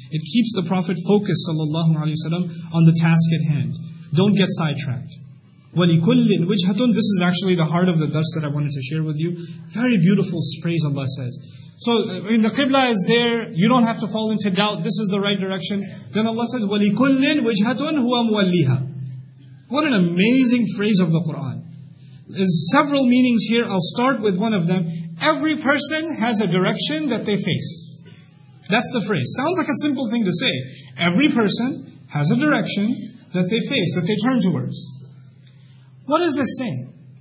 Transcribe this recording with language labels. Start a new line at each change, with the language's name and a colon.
English: It keeps the Prophet focused, sallallahu alayhi wa sallam, on the task at hand. Don't get sidetracked.
Arabic: وَلِكُلِّنْ وِجْهَةٌ.
English: This is actually the heart of the dust that I wanted to share with you. Very beautiful phrase Allah says. So when the Qibla is there, you don't have to fall into doubt, this is the right direction. Then Allah says,
Arabic: وَلِكُلِّنْ وَجْهَةٌ هُوَ مُوَلِّهَا.
English: What an amazing phrase of the Qur'an. There's several meanings here, I'll start with one of them. Every person has a direction that they face. That's the phrase. Sounds like a simple thing to say. Every person has a direction that they face, that they turn towards. What is this saying?